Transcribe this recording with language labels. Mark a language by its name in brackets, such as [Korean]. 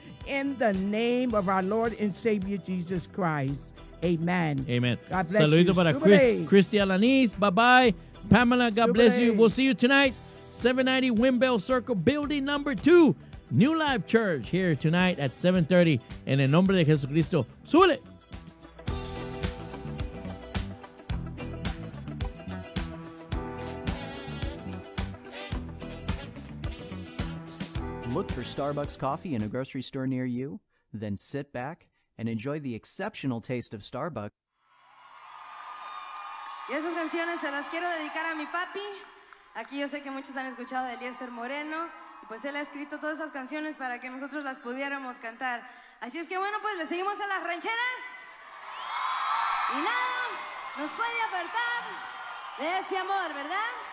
[English] In the name of our Lord and Savior Jesus Christ. Amen. Amen. God bless Saludo you. [Spanish] Saludo para [English] Christy Alaniz. Bye-bye. Pamela, God bless you. We'll see you tonight. 790 Windbell Circle, building number 2. New Life Church here tonight at 7:30. [Spanish] En el nombre de Jesucristo, súbele. [English] Look for Starbucks coffee in a grocery store near you, then sit back and enjoy the exceptional taste of Starbucks. [Spanish] Y esas canciones se las quiero dedicar a mi papi. Aquí yo sé que muchos han escuchado de Eliezer Moreno. Pues él ha escrito todas esas canciones para que nosotros las pudiéramos cantar. Así es que bueno, pues le seguimos a las rancheras. Y nada nos puede apartar de ese amor, ¿verdad?